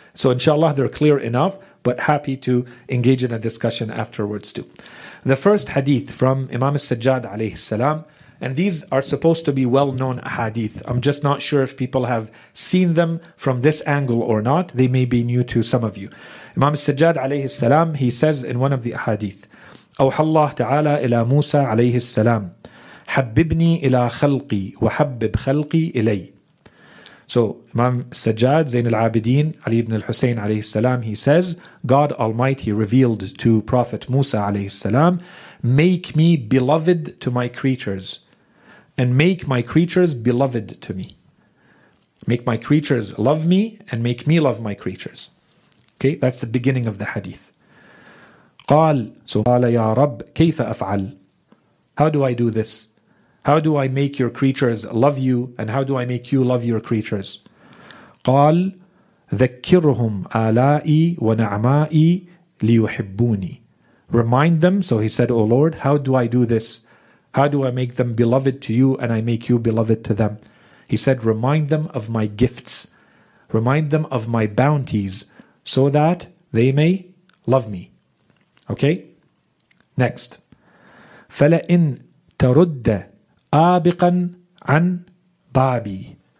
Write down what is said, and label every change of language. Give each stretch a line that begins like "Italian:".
English: So inshallah, they're clear enough, but happy to engage in a discussion afterwards too. The first hadith from Imam al-Sajjad alayhi salam, and these are supposed to be well-known hadith. I'm just not sure if people have seen them from this angle or not. They may be new to some of you. Imam al-Sajjad alayhi salam, he says in one of the hadith,
Arabic: أوحى الله تعالى إلى موسى عليه السلام حببني إلى خلقي وحبب خلقي إلي.
English: So Imam Sajjad Zain al-Abidin Ali ibn al-Husayn alayhi salam, he says, God Almighty revealed to Prophet Musa alayhi salam, make me beloved to my creatures and make my creatures beloved to me. Make my creatures love me and make me love my creatures. Okay, that's the beginning of the hadith.
Arabic: قال سبحانه يا رب كيف أفعل.
English: How do I do this? How do I make your creatures love you? And how do I make you love your creatures?
Arabic: قال ذكرهم آلائي ونعمائي ليحبوني.
English: Remind them. So he said, O Lord, how do I do this? How do I make them beloved to you and I make you beloved to them? He said, remind them of my gifts. Remind them of my bounties so that they may love me. Okay? Next.
Arabic: فَلَئِن تَرُدَّ آبِقًا عَنْ بَابِي.